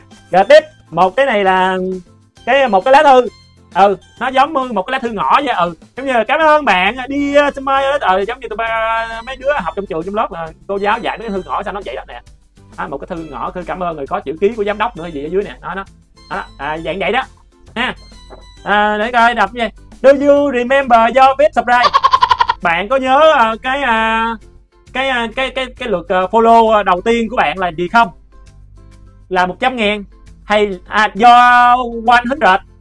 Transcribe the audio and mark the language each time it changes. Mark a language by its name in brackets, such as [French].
[Vietnamese] Rồi tiếp một cái này là cái một cái lá thư. Ừ, nó giống như một cái lá thư ngõ vậy. Ừ, giống như là cảm ơn bạn đi giống như tụi ba mấy đứa học trong trường trong lớp mà cô giáo dạy cái thư ngõ sao nó vậy đó nè. À, một cái thư ngỏ thư cảm ơn người có chữ ký của giám đốc nữa gì ở dưới nè. Dạng vậy đó nha. Để coi đọc như vậy. [English] Do you remember your best surprise? [Vietnamese] Bạn có nhớ cái lượt follow đầu tiên của bạn là gì không? Là 100.000 hay do 100?